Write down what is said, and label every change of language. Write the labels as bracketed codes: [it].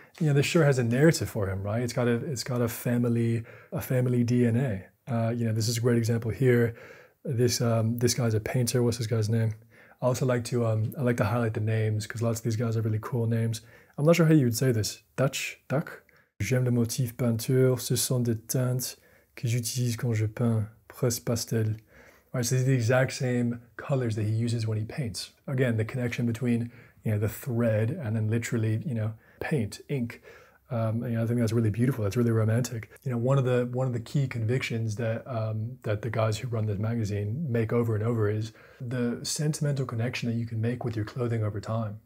[en] You know, this shirt has a narrative for him, right? It's got a family, DNA. You know, this is a great example here. This guy's a painter. What's this guy's name? I also like to highlight the names because lots of these guys are really cool names. I'm not sure how you would say this. [fr] Dutch. J'aime le motif peinture. Ce sont des teintes que j'utilise quand je peins. Presse pastel. [en] All right, so these are the exact same colors that he uses when he paints. Again, the connection between, you know, the thread and then literally, you know, paint, ink. You know, I think that's really beautiful. That's really romantic. You know, one of the key convictions that that the guys who run this magazine make over and over is the sentimental connection that you can make with your clothing over time.